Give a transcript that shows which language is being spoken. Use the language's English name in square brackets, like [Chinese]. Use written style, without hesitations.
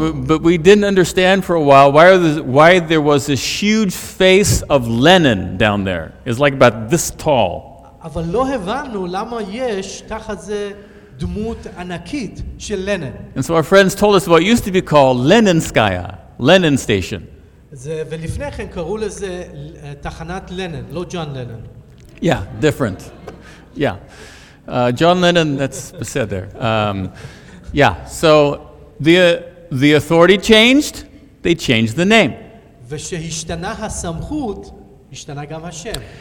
[English] But we didn't understand for a while why there was this huge face of Lenin down there. It's like about this tall. [Hebrew] אבל לא הבנו למה יש תחת זה דמות ענקית של לנין. [English] And so our friends told us what used to be called Leninskaya, Lenin Station. [Hebrew] ולפני כן קראו לזה תחנת לנין, לא ג'ון לנין. [English] Yeah, different. Yeah. John Lennon, that's said there. Yeah, so the authority changed, they changed the name. [Hebrew] ושהשתנה הסמכות, השתנה גם השם.